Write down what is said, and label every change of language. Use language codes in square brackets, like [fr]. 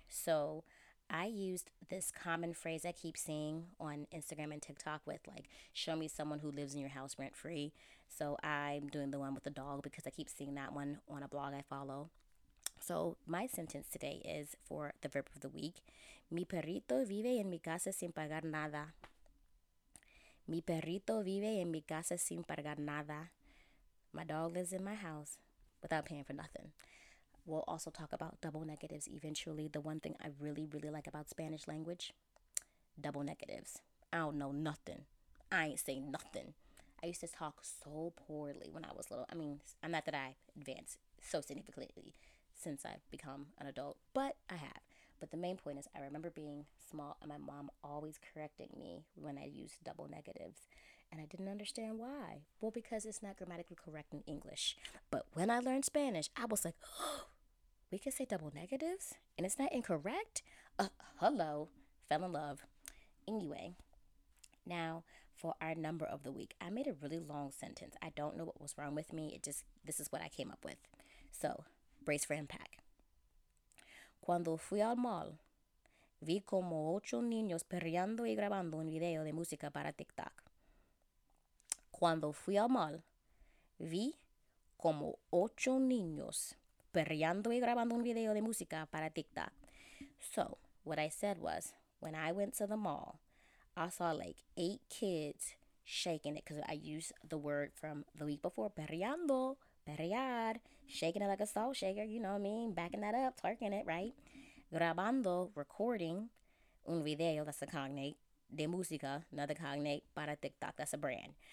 [en] So I used this common phrase I keep seeing on Instagram and TikTok with like, show me someone who lives in your house rent free. So I'm doing the one with the dog because I keep seeing that one on a blog I follow. So my sentence today is for the verb of the week. [es] Mi perrito vive en mi casa sin pagar nada. Mi perrito vive en mi casa sin pagar nada. [en] My dog lives in my house without paying for nothing. We'll also talk about double negatives eventually. The one thing I really, really like about Spanish language, double negatives. I don't know nothing. I ain't say nothing. I used to talk so poorly when I was little. I mean, not that I advanced so significantly since I've become an adult, but I have. But the main point is I remember being small and my mom always correcting me when I used double negatives. And I didn't understand why. Well, because it's not grammatically correct in English. But when I learned Spanish, I was like, oh, we can say double negatives? And it's not incorrect? Hello. Fell in love. Anyway, now for our number of the week. I made a really long sentence. I don't know what was wrong with me. This is what I came up with. So, brace for impact. [es] Cuando fui al mall, vi como 8 niños perreando y grabando un video de música para TikTok. Cuando fui al mall, vi como 8 niños perreando y grabando un video de música para TikTok. [en] So, what I said was, when I went to the mall, I saw like 8 kids shaking it because I used the word from the week before, perreando. Perrear, shaking it like a salt shaker, you know what I mean? Backing that up, twerking it, right? Grabando, recording, un video, that's a cognate, de música, another cognate, para TikTok, that's a brand.